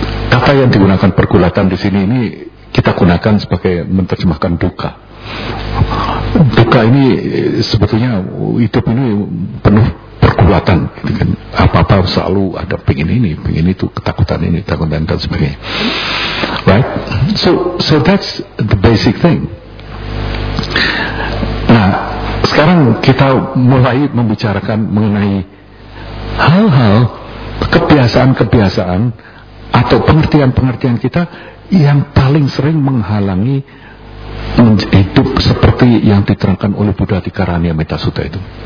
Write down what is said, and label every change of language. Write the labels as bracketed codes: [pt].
[id] Kata yang digunakan pergulatan di sini ini kita gunakan sebagai menerjemahkan duka. Duka ini sebetulnya hidup ini penuh pergulatan. Gitu kan. Apa-apa selalu ada pengen ini, pengen itu, ketakutan ini, ketakutan dan sebagainya. [en] Right? So that's the basic thing. [id] Nah, sekarang kita mulai membicarakan mengenai hal-hal kebiasaan-kebiasaan atau pengertian-pengertian kita yang paling sering menghalangi hidup seperti yang diterangkan oleh Buddha Tikaranya Metasutta itu.